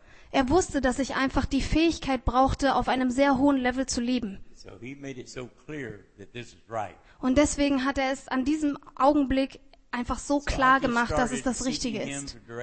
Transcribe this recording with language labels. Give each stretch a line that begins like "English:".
German: Er wusste, dass ich einfach die Fähigkeit brauchte, auf einem sehr hohen Level zu lieben.
English: So he made it so clear that this is right.
German: Und deswegen hat er es an diesem Augenblick einfach so klar gemacht, dass es das Richtige ist.